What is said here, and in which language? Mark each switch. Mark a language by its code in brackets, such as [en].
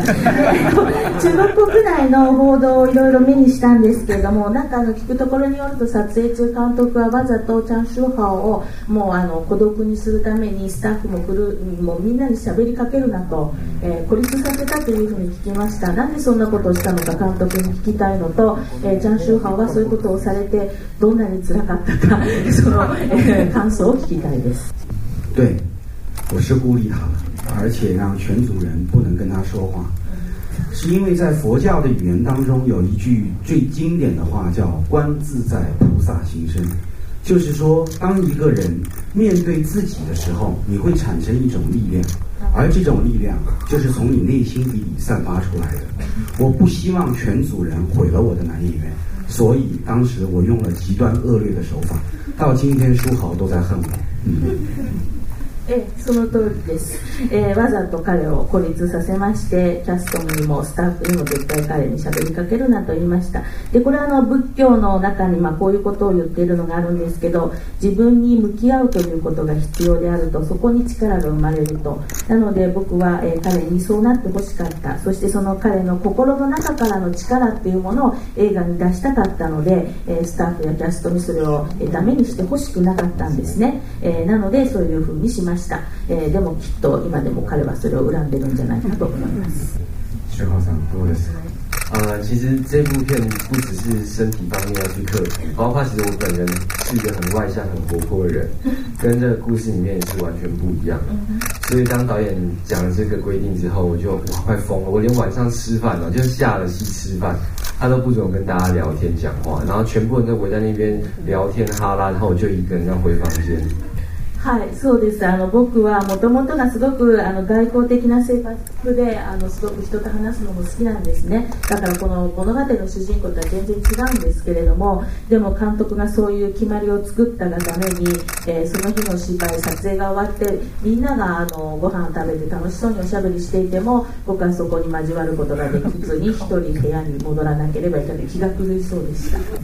[ja] 中国国内の報道をいろいろ目にしたんですけれども、なんか聞くところによると、撮影中監督はわざとジャン・シューハオをもう孤独にするためにスタッフ もみんなに喋りかけるなと、孤立させたというふうに聞きました。なんでそんなことをしたのか監督に聞きたいのと、ジャン・周波はそういうことをされてどんなに辛かったか、その感想を聞きたいです。 [zh] 对，我是孤立他，而且让全族人不能跟他说话，是因为在佛教的语言当中有一句最经典的话叫“观自在，菩萨行深”，就是说，当一个人面对自己的时候，你会产生一种力量。而这种力量就是从你内心里散发出来的。我不希望全族人毁了我的男演员，所以当时我用了极端恶劣的手法，到今天书豪都在恨我。嗯， [ja] その通りです。わざと彼を孤立させまして、キャストにもスタッフにも絶対彼に喋りかけるなと言いました。で、これは仏教の中に、まあ、こういうことを言っているのがあるんですけど、自分に向き合うということが必要であると、そこに力が生まれると。なので僕は、彼にそうなってほしかった。そしてその彼の心の中からの力っていうものを映画に出したかったので、スタッフやキャストにそれを、ダメにしてほしくなかったんですね。なのでそういうふうにしました。でもきっと今でも彼はそれを恨んでるんじゃないかと思います。周浩さんどうですか。 [zh] 其实这部片不只是身体方面要去克服，包括其实我本人是一个很外向、很活泼的人，跟这个故事里面也是完全不一样的。所以当导演讲了这个规定之后，我就快疯了。我连晚上吃饭了，就下了戏吃饭，他都不准跟大家聊天讲话，然后全部人都围在那边聊天哈拉，然后我就一个人要回房间。 [ja] はい、そうです。僕はもともとがすごく外交的な性格で、すごく人と話すのも好きなんですね。だからこの物語の主人公とは全然違うんですけれども、でも監督がそういう決まりを作ったがために、その日の芝居撮影が終わってみんながご飯を食べて楽しそうにおしゃべりしていても、僕はそこに交わることができずに一人部屋に戻らなければいけない、気が狂いそうでした。